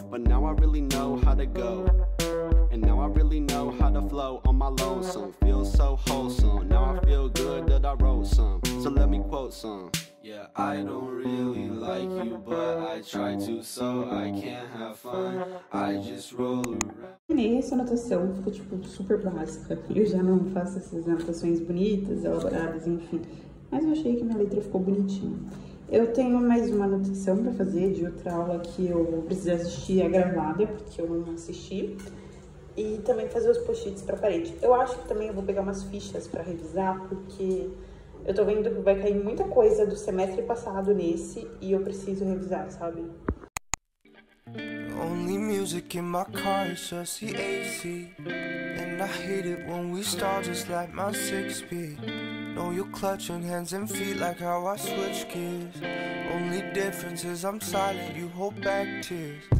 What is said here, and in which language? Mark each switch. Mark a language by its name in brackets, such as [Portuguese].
[English] But now I really know how to go, and now I really know how to flow on my lonesome. Feel so wholesome, now I feel good that I wrote some. So let me quote some. Yeah, I don't really like you, but I try to so I can have fun. I just roll around. [Portuguese] E essa anotação fica tipo super básica. Eu já não faço essas anotações bonitas, elaboradas, enfim. Mas eu achei que minha letra ficou bonitinha. Eu tenho mais uma anotação pra fazer de outra aula que eu precisei assistir a gravada, porque eu não assisti. E também fazer os post-its pra parede. Eu acho que também eu vou pegar umas fichas pra revisar, porque eu tô vendo que vai cair muita coisa do semestre passado nesse e eu preciso revisar, sabe? [English] Only music in my car is just the AC. And I hate it when we start just like my 6-speed. Know you're clutching hands and feet like how I switch gears. Only difference is I'm silent, you hold back tears.